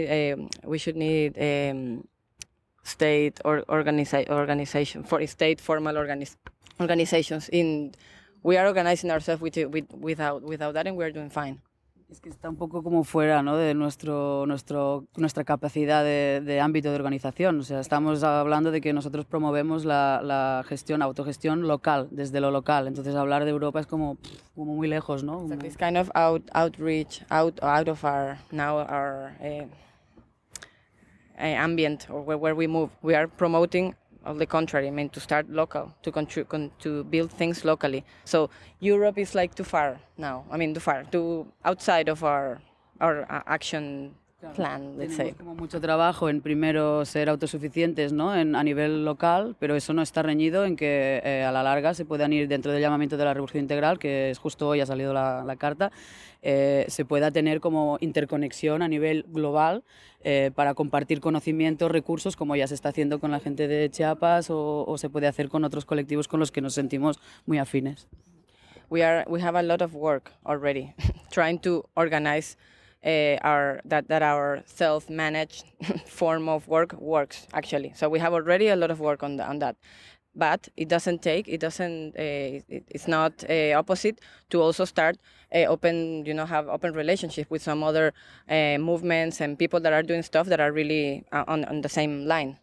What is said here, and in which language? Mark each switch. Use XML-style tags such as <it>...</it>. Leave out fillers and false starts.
<en>I don't think we should need state or organization for state formal organizations. In we are organizing ourselves without that, and we are doing fine.</en> <es>Es que está un poco como fuera, ¿no? De nuestra capacidad de ámbito de organización. O sea, estamos hablando de que nosotros promovemos la gestión, autogestión local, desde lo local. Entonces, hablar de Europa es como muy lejos, ¿no?</es> <en>So this kind of outreach, out of our now our ambient or where we move. We are promoting all the contrary. I mean, to start local, to build things locally. So Europe is like too far now. I mean, too far, too outside of our action plan.</en> <es>Claro.</es> <en>Let's say.</en> <es>Como mucho trabajo en primero ser autosuficientes, ¿no? A nivel local, pero eso no está reñido en que a la larga se puedan ir dentro del llamamiento de la revolución integral, que es justo hoy ha salido la carta. Se pueda tener como interconexión a nivel global para compartir conocimientos, recursos, como ya se está haciendo con la gente de Chiapas o se puede hacer con otros colectivos con los que nos sentimos muy afines.</es> <en>We have a lot of work already trying to organize our our self-managed form of work works actually. So we have already a lot of work on that. But it's not opposite to also start open, you know, have open relationship with some other movements and people that are doing stuff that are really on the same line.</en>